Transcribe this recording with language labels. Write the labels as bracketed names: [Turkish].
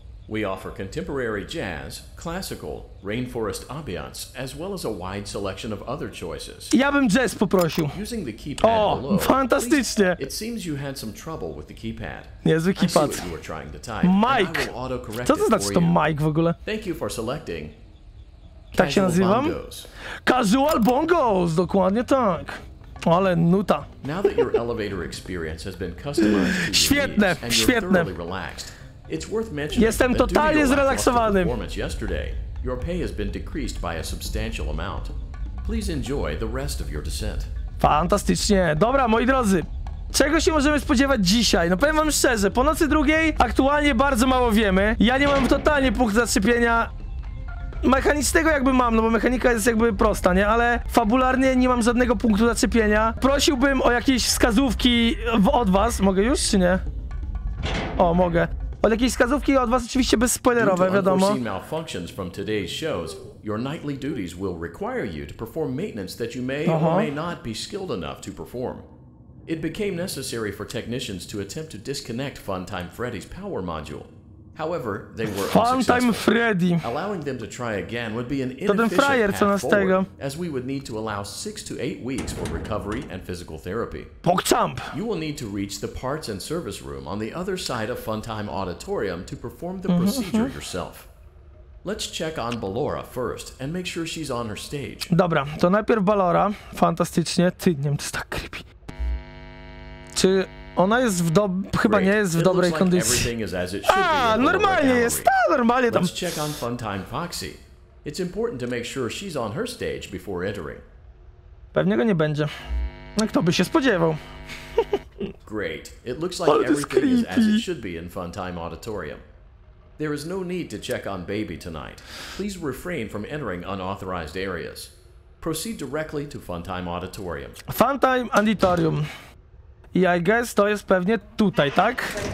[English] We offer contemporary jazz, classical, rainforest ambiance, as well as a wide selection of other choices. [Polish] Ja bym jazz poprosił. [English] Using the keypad below, [Polish] fantastycznie. [English] It seems you had some trouble with the keypad. [Polish] Niezły keypad. Mike. Co to znaczy to Mike w ogóle? [English] Thank you for selecting. [Polish] Tak się nazywam? [English] Casual bongos, [Polish] dokładnie tak. Ale nuta. [English] Now that your elevator experience has been customized to your świetne, needs, and świetne. You're thoroughly relaxed. It's worth mentioning [Polish] jestem totalnie zrelaksowany. [English] Yesterday, your pay has been decreased by a substantial amount. Please enjoy the rest of your descent. [Polish] Fantastycznie. Dobra, moi drodzy. Czego się możemy spodziewać dzisiaj? No powiem wam szczerze, po nocy drugiej aktualnie bardzo mało wiemy. Ja nie mam totalnie punkt zaczepienia mechanicznego, jakby mam, no bo mechanika jest jakby prosta, nie? Ale fabularnie nie mam żadnego punktu zaczepienia. Prosiłbym o jakieś wskazówki od was. Mogę już czy nie? O, mogę. Od jakiejś wskazówki od was, oczywiście bez spoilerowe, wiadomo. [English] Due to unforeseen malfunctions from today's shows, your nightly duties will require you to perform maintenance that you may or may not be skilled enough to perform. It became necessary for technicians to attempt to disconnect Funtime Freddy's power module. However, they were Funtime Freddy. Allowing them to try again would be an inefficient fryer, path forward, as we would need to allow 6 to 8 weeks for recovery and physical therapy. Pogchamp! You will need to reach the parts and service room on the other side of Funtime Auditorium to perform the procedure yourself. Let's check on Ballora first and make sure she's on her stage. [Polish] Dobra, to najpierw Ballora. Fantastycznie. Ty, nie wiem, to jest tak creepy. Czy... Ona jest w chyba nie jest w dobrej kondycji. A, normalnie jest, ta normalnie tam. [English] Check on Funtime Foxy. It's important to make sure she's on her stage before entering. [Polish] Pewnie go nie będzie. No kto by się spodziewał? [English] Great. It looks like everything is as it should be in Funtime Auditorium. There is no need to check on Baby tonight. Please refrain from entering unauthorized areas. Proceed directly to Funtime Auditorium. Funtime Auditorium. I guess [Polish] to jest pewnie tutaj, tak?